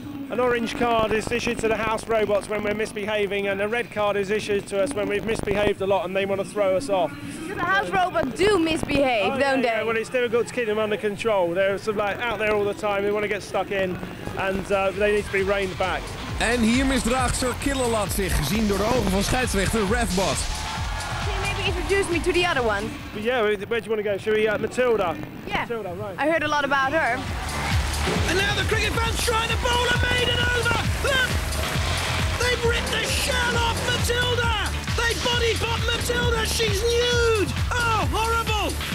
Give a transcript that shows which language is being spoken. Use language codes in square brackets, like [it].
[en] An orange card is issued to the house robots when we're misbehaving, and a red card is issued to us when we've misbehaved a lot and they want to throw us off. So the house robots do misbehave, don't they? Yeah, well, it's difficult to keep them under control. They're sort of like out there all the time. They want to get stuck in, and they need to be reined back. [nl] En hier misdraagt Sir Killalot zich, gezien door de ogen van scheidsrechter RevBot. [en] Can you maybe introduce me to the other one? But yeah, where do you want to go? Should we, Matilda? Yeah. Matilda, right. I heard a lot about her. And now the cricket fans trying to bowl a maiden over! Look! They've ripped the shirt off Matilda! They body-bop Matilda! She's nude! Oh, horrible!